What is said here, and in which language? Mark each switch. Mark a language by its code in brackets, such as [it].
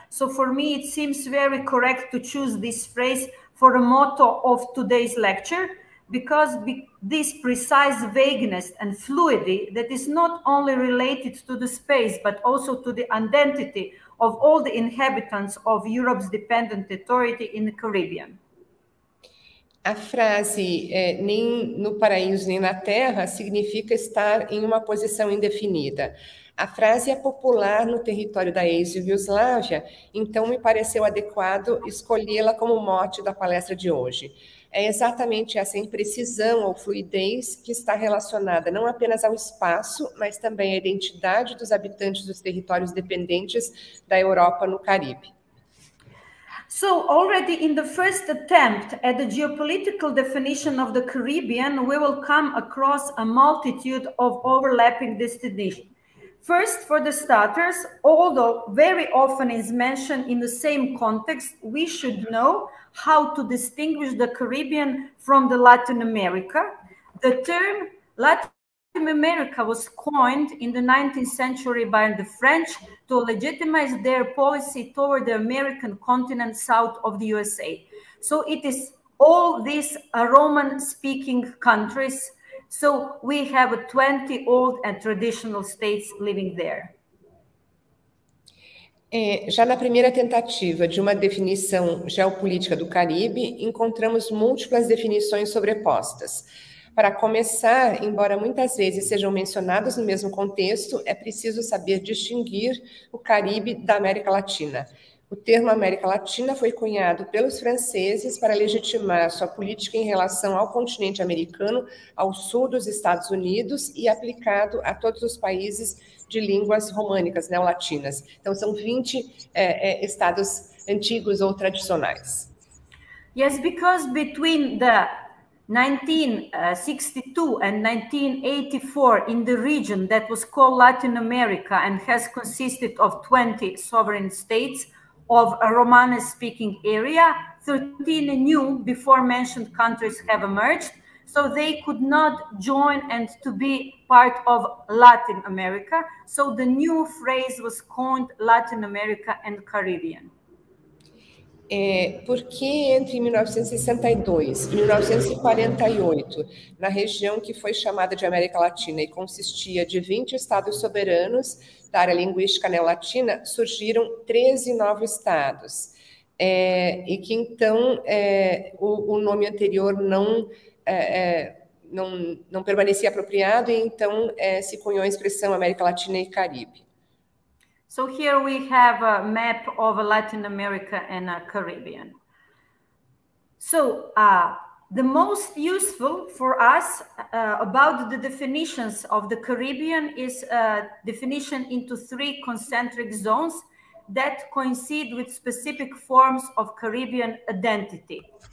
[en] So for me, it seems very correct to choose this phrase for the motto of today's lecture, because this precise vagueness and fluidity that is not only related to the space, but also to the identity of all the inhabitants of Europe's dependent authority in the Caribbean. [pt] A frase nem no paraíso nem na terra significa estar em uma posição indefinida. A frase é popular no território da ex-Iugoslávia, então me pareceu adequado escolhê-la como mote da palestra de hoje. É exatamente essa imprecisão ou fluidez que está relacionada não apenas ao espaço, mas também à identidade dos habitantes dos territórios dependentes da Europa no Caribe. [en] So already in the first attempt at the geopolitical definition of the Caribbean, we will come across a multitude of overlapping destinations. First, for the starters, although very often is mentioned in the same context, we should know how to distinguish the Caribbean from the Latin America. The term Latin Latin America was coined in the 19th century by the French to legitimize their policy toward the American continent south of the USA. So it is all these Roman-speaking countries. So we have 20 old and traditional states living there. [pt] É, já na primeira tentativa de uma definição geopolítica do Caribe, encontramos múltiplas definições sobrepostas. Para começar, embora muitas vezes sejam mencionados no mesmo contexto, é preciso saber distinguir o Caribe da América Latina. O termo América Latina foi cunhado pelos franceses para legitimar sua política em relação ao continente americano, ao sul dos Estados Unidos e aplicado a todos os países de línguas românicas, neolatinas. Então, são 20 estados antigos ou tradicionais. [en] Yes, because between the 1962 and 1984 in the region that was called Latin America and has consisted of 20 sovereign states of a Romani-speaking area, 13 new before mentioned countries have emerged, so they could not join and to be part of Latin America, so the new phrase was coined Latin America and Caribbean. [pt] É, por que entre 1962 e 1948, na região que foi chamada de América Latina e consistia de 20 estados soberanos da área linguística neolatina, surgiram 13 novos estados? E que então o nome anterior não permanecia apropriado e então se cunhou a expressão América Latina e Caribe. [en] So here we have a map of Latin America and the Caribbean. So the most useful for us about the definitions of the Caribbean is a definition into three concentric zones that coincide with specific forms of Caribbean identity.